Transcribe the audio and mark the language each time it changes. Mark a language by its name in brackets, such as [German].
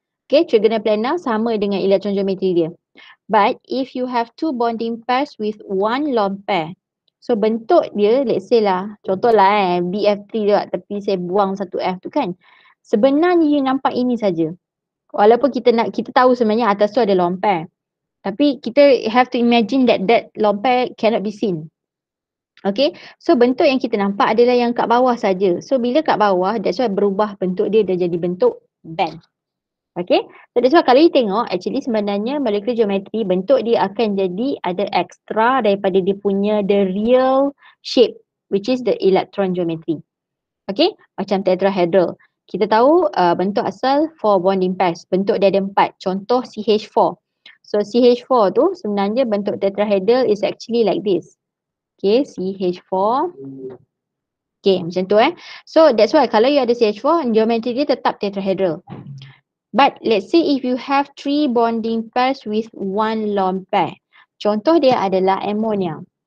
[English] Okay, trigonal planar [Malay] sama dengan [English] electron geometry dia. But, if you have two bonding pairs with one lone pair, so bentuk dia let's say lah, [Malay] contoh lah BF3 dia tapi saya buang satu F tu kan. Sebenarnya you nampak ini saja. Walaupun kita nak, kita tahu sebenarnya atas tu ada lone pair. Tapi kita [English] have to imagine that that lone pair cannot be seen. [Malay] Okay, so bentuk yang kita nampak adalah yang kat bawah saja. So bila kat bawah, [English] that's why [Malay] berubah bentuk dia dah jadi bentuk band. [English] Okay, so that's why [Malay] kalau you tengok [English] actually sebenarnya molecular geometry [Malay] bentuk dia akan jadi ada [English] extra [Malay] daripada dia punya [English] the real shape which is the electron geometry. [Malay] Okay, macam tetrahedral. Kita tahu bentuk asal four bonding pairs. Bentuk dia ada empat. [English] Contoh CH4. So CH4 [Malay] tu sebenarnya bentuk [English] tetrahedral is actually like this. [Malay] Okay, CH4. Okay, macam tu eh. [English] So that's why [Malay] kalau you ada CH4, geometry dia tetap tetrahedral. [English] But let's say if you have three bonding pairs with one lone pair. [Malay] Contoh dia adalah ammonia.